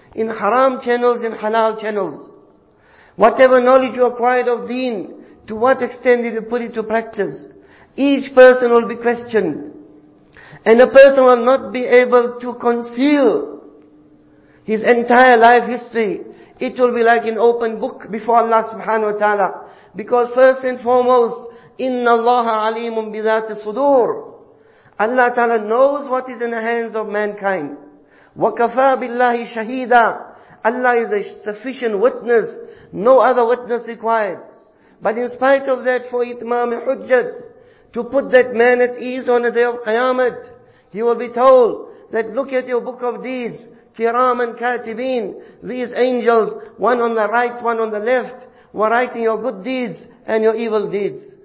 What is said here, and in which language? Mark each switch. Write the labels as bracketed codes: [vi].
[en] In haram channels, in halal channels? Whatever knowledge you acquired of deen, to what extent did you put it to practice? Each person will be questioned. And a person will not be able to conceal his entire life history. It will be like an open book before Allah subhanahu wa ta'ala. Because first and foremost, [ar] إِنَّ اللَّهَ عَلِيمٌ بِذَاتِ الصُّدُورِ. [en] Allah ta'ala knows what is in the hands of mankind. [ar] وَكَفَى بِاللَّهِ شَهِيدًا. [en] Allah is a sufficient witness. No other witness required. But in spite of that, for itmam hujjat, to put that man at ease on the day of Qiyamah, he will be told that look at your book of deeds, kiram and katibin, these angels, one on the right, one on the left, were writing your good deeds and your evil deeds.